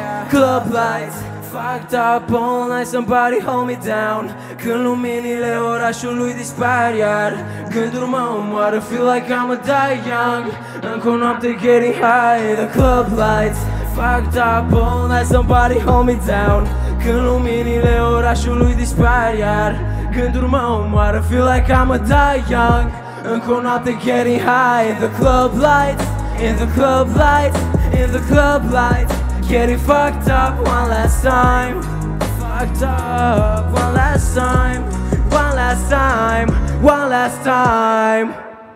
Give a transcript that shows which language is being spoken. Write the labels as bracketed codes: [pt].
[en] Club lights, fucked up all night, somebody hold me down. [ro] Când luminile orașului dispar, iar gânduri mă omoară, [en] feel like I'ma die young. [ro] Încă o noapte [en] getting high in the club lights, fucked up all night, somebody hold me down. [ro] Când luminile orașului dispar, iar gânduri mă omoară, [en] feel like I'ma die young. [ro] Încă o noapte [en] getting high in the club lights, in the club lights, in the club lights. Getting fucked up one last time, fucked up one last time, one last time, one last time.